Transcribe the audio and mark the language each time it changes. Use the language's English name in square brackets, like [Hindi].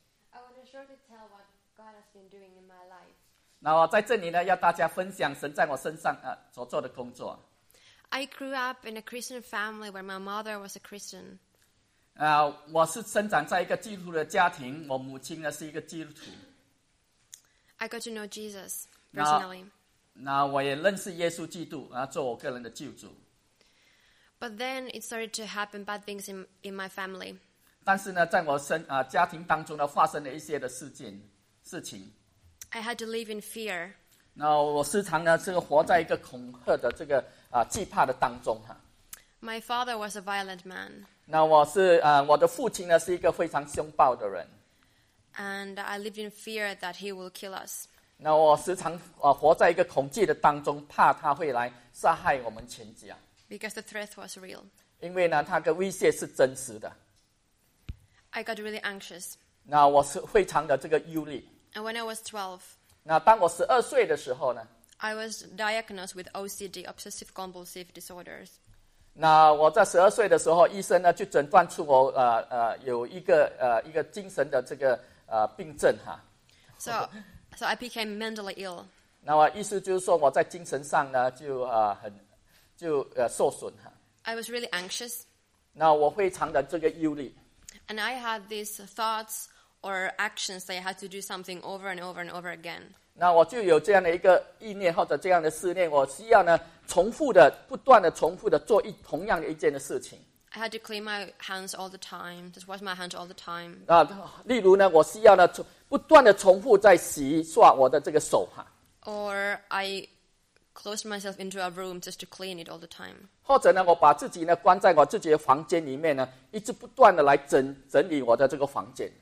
[English] I want to shortly tell what God has been doing in my life. [Chinese] 那我在这里呢，要大家分享神在我身上所做的工作。 [English] I grew up in a Christian family where my mother was a Christian. [Chinese] 我是生长在一个基督徒的家庭，我母亲呢是一个基督徒。 [English] I got to know Jesus personally. [Chinese] 那我也认识耶稣基督，然后做我个人的救主。 [English] But then it started to happen bad things in my family. [Chinese] 但是呢，在我家庭当中呢，发生了一些的事情。 [English] I had to live in fear. [Chinese] 那我时常呢，是活在一个恐吓的这个惧怕的当中哈。 [English] My father was a violent man. [Chinese] 那我是我的父亲呢是一个非常凶暴的人。 [English] And I lived in fear that he will kill us. [Chinese] 那我时常活在一个恐惧的当中，怕他会来杀害我们全家。 [English] Because the threat was real. [Chinese] 因为呢，他的威胁是真实的。 [English] I got really anxious. [Chinese] 那我是非常的这个忧虑。 [English] And when I was 12, [Chinese] 那当我12岁的时候呢 [English] ，I was diagnosed with OCD, obsessive compulsive disorders. [Chinese] 那我在十二岁的时候，医生呢就诊断出我有一个精神的这个病症哈。 [English] So I became mentally ill. [Chinese] 那我意思就是说我在精神上呢就很就受损哈。 [English] I was really anxious. [Chinese] 那我非常的这个忧虑。 [English] And I had these thoughts or actions that I had to do something over and over and over again. [Chinese] 那我就有这样的一个意念或者这样的思念，我需要呢。重复的，不断的重复的做同样的一件的事情。 [English] I had to clean my hands all the time, just wash my hands all the time. [Chinese] 例如呢，我需要呢，不断的重复在洗刷我的这个手哈。 [English] Or I closed myself into a room just to clean it all the time. [Chinese] 或者呢，我把自己呢关在我自己的房间里面呢，一直不断的来整理我的这个房间。